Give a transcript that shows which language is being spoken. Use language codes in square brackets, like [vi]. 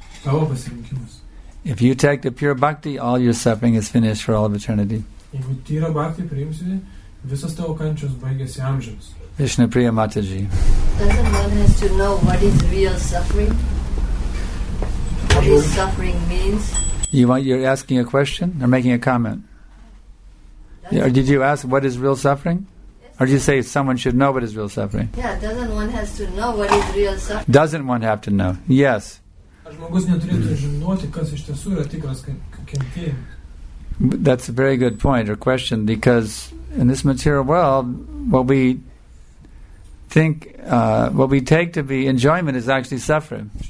[en] If you take the pure bhakti, all your suffering is finished for all of eternity. [lt] Jeigu tyra bhakti priimsi, visas tavo kančios baigėsi amžiams. [en] Vishnu Priya Mataji. Doesn't one has to know what is real suffering? What real suffering means? You're asking a question or making a comment? Or did you ask what is real suffering? Yes. Or did you say someone should know what is real suffering? Yeah, doesn't one has to know what is real suffering? Doesn't one have to know? Yes. [lt] Ar žmogus neturėtų žinoti, kas iš tiesų yra tikras kentėjimas? [en] That's a very good point or question, because in this material world, what we think, what we take to be enjoyment is actually suffering.